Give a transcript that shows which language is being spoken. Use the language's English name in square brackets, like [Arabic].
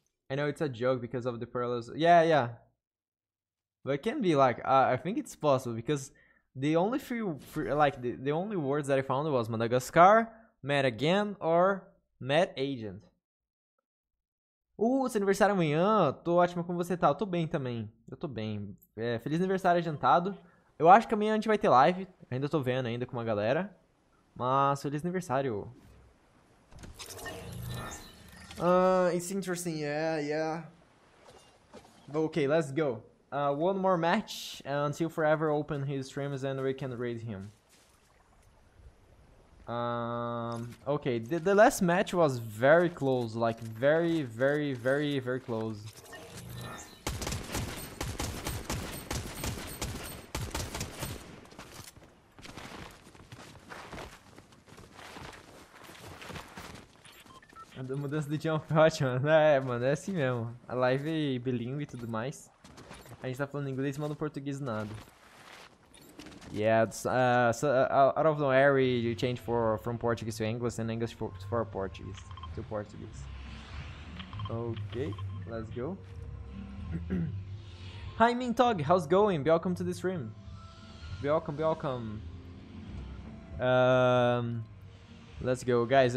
[English] I know it's a joke because of the parallels. Yeah. But it can be like, I think it's possible, because the only the only words that I found was Madagascar, Mad Again, or Mad Agent. [Portuguese] Seu aniversário amanhã, tô ótimo com você, tá? Eu tô bem também. É, feliz aniversário adiantado. Eu acho que amanhã a gente vai ter live, ainda tô vendo ainda com uma galera. Mas feliz aniversário. [English] It's interesting, yeah. But okay, let's go. One more match until Forever open his streams and we can raid him. Okay, the last match was very close, like very, very, very, very close. [Portuguese] The mudança de jump é ótima. É, mano, é assim mesmo. A live é bilingue e tudo mais. A gente tá falando inglês, mas no português nada. [English] Yeah, so out of the area you change from Portuguese to English, and English for Portuguese to Portuguese. Okay, let's go. Hi, Mintog, how's going? Welcome to the stream. Welcome. Let's go, guys.